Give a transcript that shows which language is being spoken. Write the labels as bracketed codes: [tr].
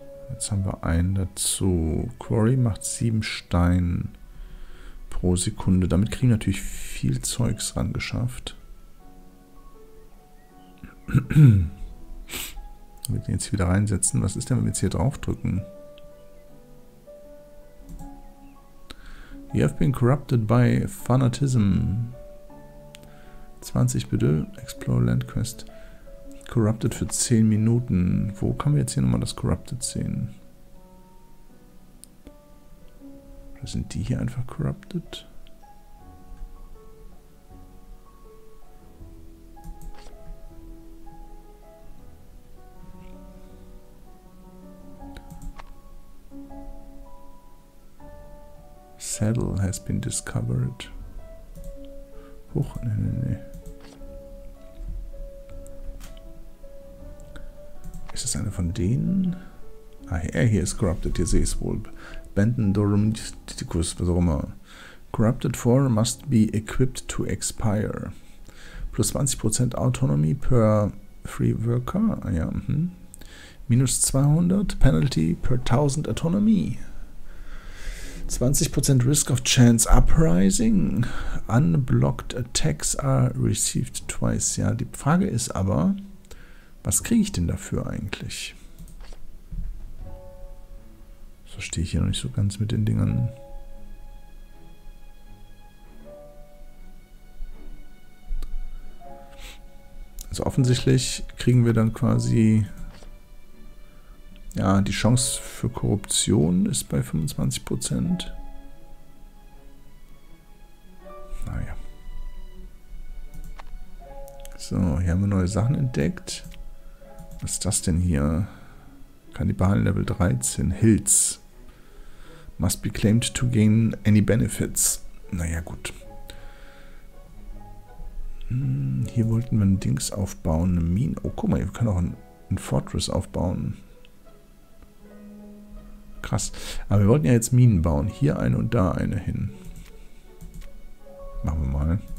[de] Jetzt haben wir einen dazu. Quarry macht 7 Stein pro Sekunde. Damit kriegen wir natürlich viel Zeugs rangeschafft. Wenn wir den jetzt wieder reinsetzen. Was ist denn, wenn wir jetzt hier drauf drücken? [en] You have been corrupted by fanatism. [de] 20 bitte. Explore Land Quest. Corrupted für 10 Minuten. Wo kann man jetzt hier nochmal das Corrupted sehen? Oder sind die hier einfach Corrupted? [en] Saddle has been discovered. [de] Huch, nee, nee, nee. Ist das eine von denen? Ah, hier ist Corrupted, hier sehe ich es wohl. Benton Dormiticus, was auch immer. [en] Corrupted 4 must be equipped to expire. Plus 20% Autonomy per Free Worker. [de] Ah ja, mhm. [en] Minus 200 Penalty per 1000 Autonomy. 20% Risk of Chance Uprising. Unblocked Attacks are received twice. [de] Ja, die Frage ist aber... Was kriege ich denn dafür eigentlich? Das verstehe ich hier noch nicht so ganz mit den Dingern. Also offensichtlich kriegen wir dann quasi Ja, die Chance für Korruption ist bei 25%. Naja. So, hier haben wir neue Sachen entdeckt. Was ist das denn hier? Kannibalen Level 13, Hills. [en] Must be claimed to gain any benefits. [de] Naja, gut. Hier wollten wir ein Dings aufbauen, eine Mine. Oh, guck mal, wir können auch ein Fortress aufbauen. Krass. Aber wir wollten ja jetzt Minen bauen. Hier eine und da eine hin. Machen wir mal.